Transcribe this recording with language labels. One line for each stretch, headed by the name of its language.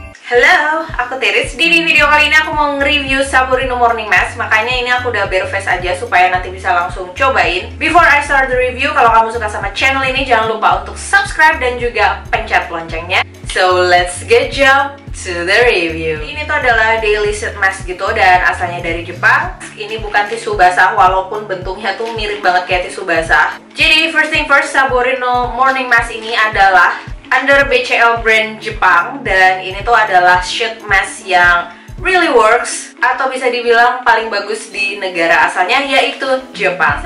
Indonesian: Halo, aku Tiriz. Di video kali ini aku mau nge-review Saborino Morning Mask. Makanya ini aku udah bare face aja supaya nanti bisa langsung cobain.
English: Before I start the review,
Indonesian: kalau kamu suka sama channel ini, jangan lupa untuk subscribe dan juga pencet loncengnya.
English: So, let's get jump to the review.
Indonesian: Ini tuh adalah daily sheet mask gitu dan asalnya dari Jepang. Ini bukan tisu basah walaupun bentuknya tuh mirip banget kayak tisu basah. Jadi,
English: first thing first,
Indonesian: Saborino Morning Mask ini adalah under BCL brand Jepang, dan ini tuh adalah sheet mask yang
English: really works
Indonesian: atau bisa dibilang paling bagus di negara asalnya, yaitu Jepang.